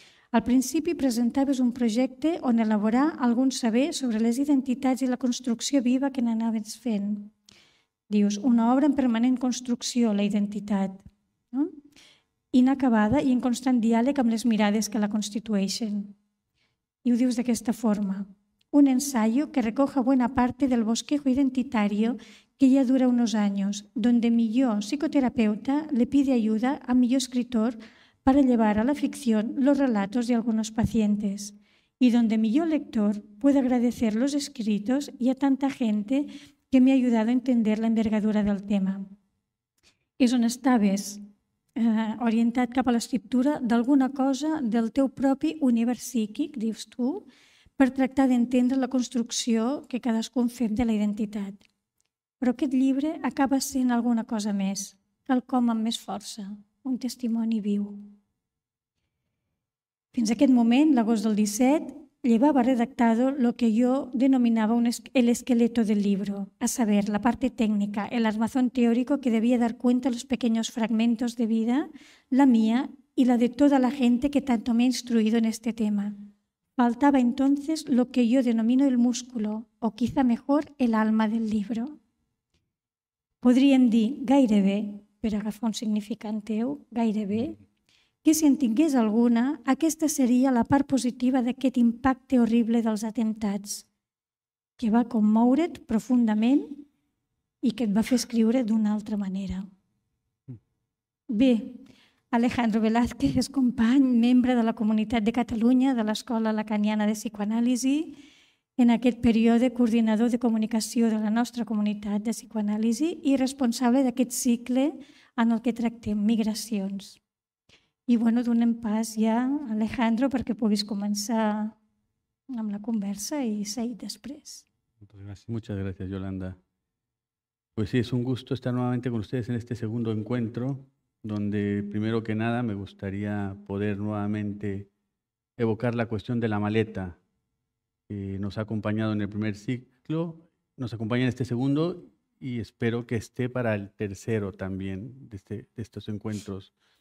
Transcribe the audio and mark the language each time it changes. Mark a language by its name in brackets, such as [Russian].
[Catalan] Al principi presentaves un projecte on elaborar algun saber sobre les identitats i la construcció viva que n'anaves fent. Dius, una obra en permanent construcció, la identitat, no? Inacabada i en constant diàleg amb les mirades que la constitueixen. I ho dius d'aquesta forma. [Spanish] Un ensayo que recoja buena parte del bosquejo identitario que ya dura unos años, donde millor psicoterapeuta le pide ayuda a millor escritor para llevar a la ficción los relatos de algunos pacientes y donde millor lector puede agradecer los escritos y a tanta gente que me ha ayudado a entender la envergadura del tema. [Catalan] És on estaves orientat cap a l'escriptura d'alguna cosa del teu propi univers psíquic, dius tu, per tractar d'entendre la construcció que cadascú fem de la identitat. Però aquest llibre acaba sent alguna cosa més, quelcom amb més força, un testimoni viu. Fins aquest moment, l'agost del [Spanish] 17, llevaba redactado lo que yo denominaba el esqueleto del libro, a saber, la parte técnica, el armazón teórico que debía dar cuenta a los pequeños fragmentos de vida, la mía y la de toda la gente que tanto me ha instruido en este tema. Faltaba entonces lo que yo denomino el músculo, o quizá mejor, el alma del libro. [Catalan] Podríem dir gairebé, per agafar un significant teu, gairebé, que si en tingués alguna, aquesta seria la part positiva d'aquest impacte horrible dels atemptats, que va commoure't profundament i que et va fer escriure d'una altra manera. Bé, Alejandro Velázquez és company, membre de la Comunitat de Catalunya de l'Escola Lacaniana de Psicoanàlisi, en aquest període coordinador de comunicació de la nostra comunitat de psicoanàlisi i responsable d'aquest cicle en el que tractem migracions. I bueno, donem pas ja a Alejandro perquè puguis començar amb la conversa i seguir després. [Spanish] Muchas gracias, Yolanda. Pues sí, es un gusto estar nuevamente con ustedes en este segundo encuentro, donde primero que nada me gustaría poder nuevamente evocar la cuestión de la maleta. Nos ha acompañado en el primer ciclo, nos acompaña en este segundo y espero que esté para el tercero también de estos encuentros.